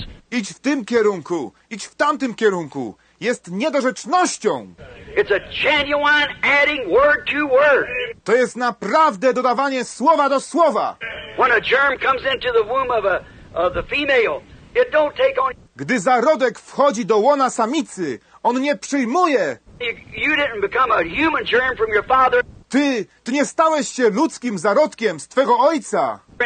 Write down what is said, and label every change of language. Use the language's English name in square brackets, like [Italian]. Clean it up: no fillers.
[Polish] Idź w tym kierunku, idź w tamtym kierunku. Jest niedorzecznością. [English] It's a genuine adding word to word. [Polish] To jest naprawdę dodawanie słowa do słowa. [English] When a germ comes into the womb of the female, it don't take on. [Polish] Gdy zarodek wchodzi do łona samicy, on nie przyjmuje. [English] You didn't become a human germ from your father. [Polish] Ty nie stałeś się ludzkim zarodkiem z twego ojca.